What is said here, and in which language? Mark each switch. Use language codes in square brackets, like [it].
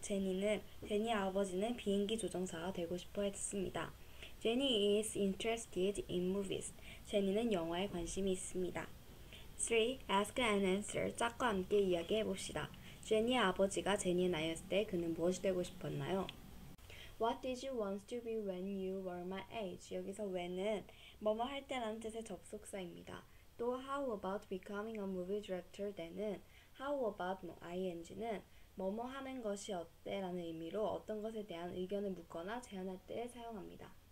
[ko] 제니의 아버지는 비행기 조종사가 되고 싶어 했습니다. [en] Jenny is interested in movies. [ko] 제니는 영화에 관심이 있습니다. [en] 3. Ask and answer. [ko] 짝과 함께 이야기해봅시다. 제니의 아버지가 제니의 나이였을 때 그는 무엇이 되고 싶었나요? [en] What did you want to be when you were my age? [ko] 여기서 when은 뭐뭐 할 때라는 뜻의 접속사입니다. 또 [en] how about becoming a movie director then은 how about ing는 [ko] 뭐뭐 하는 것이 어때? 라는 의미로 어떤 것에 대한 의견을 묻거나 제안할 때 사용합니다.